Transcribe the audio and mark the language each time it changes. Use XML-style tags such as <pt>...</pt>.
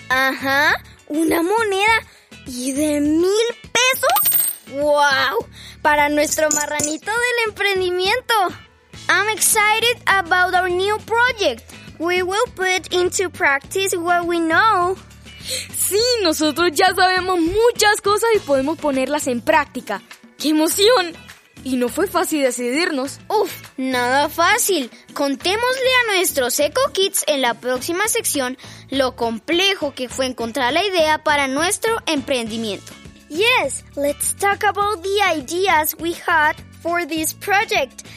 <es>¡Ajá! ¿Una moneda? ¿Y de 1,000 pesos? ¡Wow! ¡Para nuestro marranito del emprendimiento!</es> <en>I'm excited about our new project. We will put into practice what we know.</en> <es>¡Sí! Nosotros ya sabemos muchas cosas y podemos ponerlas en práctica. ¡Qué emoción! Y no fue fácil decidirnos. ¡Uf! ¡Nada fácil! Contémosle a nuestros Eco Kids en la próxima sección lo complejo que fue encontrar la idea para nuestro emprendimiento.</es> <en>Yes, let's talk about the ideas we had for this project.</en>